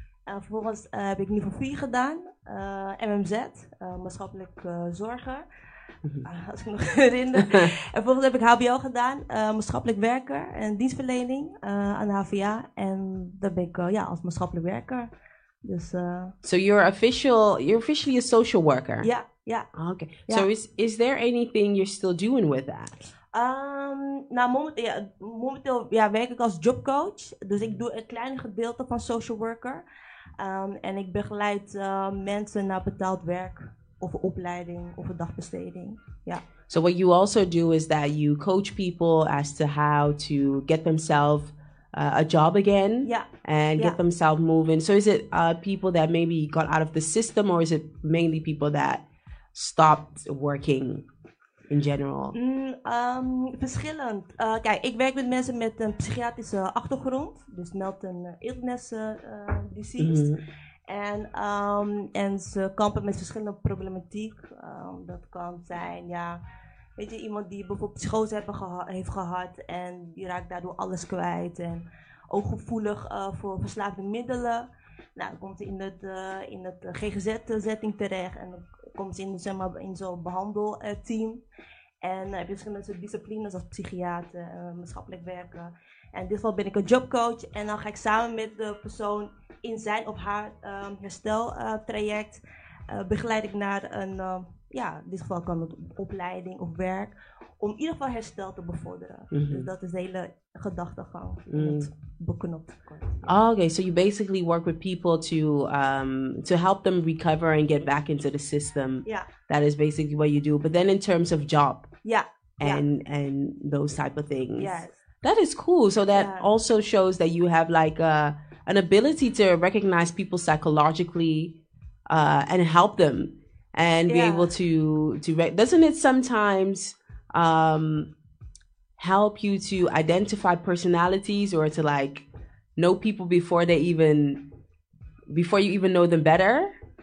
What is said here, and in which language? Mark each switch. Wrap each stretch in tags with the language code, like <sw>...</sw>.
<nl>Vervolgens heb ik niveau 4 gedaan. MMZ, maatschappelijk zorger. Als ik me nog herinner. En vervolgens heb ik HBO gedaan. Maatschappelijk werker en dienstverlening aan de HVA. En daar ben ik als maatschappelijk werker. Dus,</nl> <en>So you're officially a social worker?</en> <nl>Ja. Ja. Oké.</nl> <en>So is there anything you're still doing with that?</en> <nl>Momenteel werk ik als jobcoach. Dus ik doe een klein gedeelte van social worker. En ik begeleid mensen naar betaald werk of opleiding of een dagbesteding.</nl> <en>Yeah. So what you also do is that you coach people as to how to get themselves a job again. Yeah. And get themselves moving. So is it people that maybe got out of the system, or is it mainly people that stopped working? In general?</en> <nl>Verschillend. Kijk, ik werk met mensen met een psychiatrische achtergrond. Dus</nl> <en>mental illness disease.</en> <nl>Mm-hmm. En ze kampen met verschillende problematiek. Dat kan zijn, ja... Weet je, iemand die bijvoorbeeld psychose heeft gehad. En die raakt daardoor alles kwijt. En ook gevoelig voor verslaafde middelen. Nou, dan komt ze in het GGZ-setting terecht. En komt ze in, zeg maar, in zo'n behandelteam. En heb je verschillende disciplines als psychiater, maatschappelijk werken. En in dit geval ben ik een jobcoach. En dan ga ik samen met de persoon in zijn of haar hersteltraject. Begeleid ik naar een ja, in dit geval kan het opleiding of werk, om in ieder geval herstel te bevorderen. Mm-hmm. Dus dat is de hele gedachtegang van het boeken op de kort.</nl> <en>Oh, okay, so you basically work with people to help them recover and get back into the system.</en> <nl>Ja.</nl> <en>That is basically what you do. But then in terms of job.</en> <nl>Ja.</nl> <en>And those type of things. Yes. That is cool. So that also shows that you have like an ability to recognize people psychologically and help them and be able to doesn't it sometimes help you to identify personalities or to like know people before you even know them better?</en>